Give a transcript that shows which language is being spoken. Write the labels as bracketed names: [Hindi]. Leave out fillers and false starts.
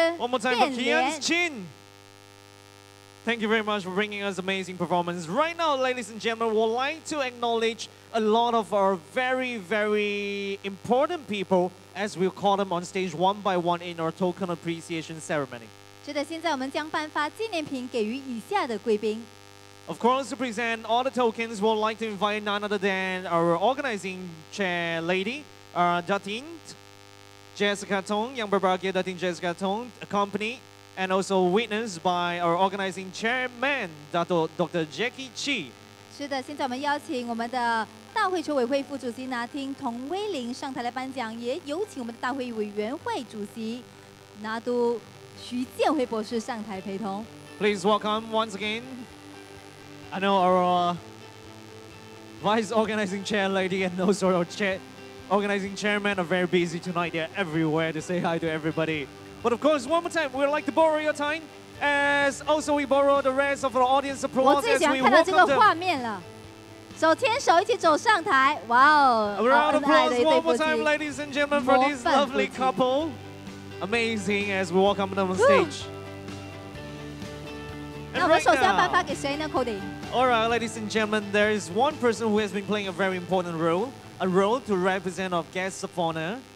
[English] One more time for Kian's Chin. Thank you very much for bringing us amazing performance. Right now, ladies and gentlemen, we'd like to acknowledge a lot of our very, very important people as we'll call them on stage one by one in our token appreciation ceremony. [Chinese] 是的，现在我们将颁发纪念品给予以下的贵宾。 [English] Of course, to present all the tokens, we'd like to invite none other than our organizing chair lady, Jatin Jessica Tong, Yang Berbahagia Datin Jessica Tong, accompanied and also witnessed by our organizing chairman, Dr. Jackie Chi. [Chinese] 是的，现在我们邀请我们的大会筹委会副主席拿听童威林上台来颁奖，也有请我们的大会委员会主席拿督徐建辉博士上台陪同。 [English] Please welcome once again, I know our vice organizing chair lady and also our organizing chairman are very busy tonight. They're everywhere to say hi to everybody. But of course, one more time, we'd like to borrow your time as also we borrow the rest of our audience applause as we welcome them. [Chinese] 我最喜欢看到这个画面了，手牵手一起走上台。哇哦， [English] A round of applause one more time, ladies and gentlemen, for this lovely couple. Amazing as we welcome them on stage. [Chinese] 那我们首先要颁发给谁呢 ，Cody？ [English] All right, ladies and gentlemen, there is one person who has been playing a very important role, a role to represent our guests of honor.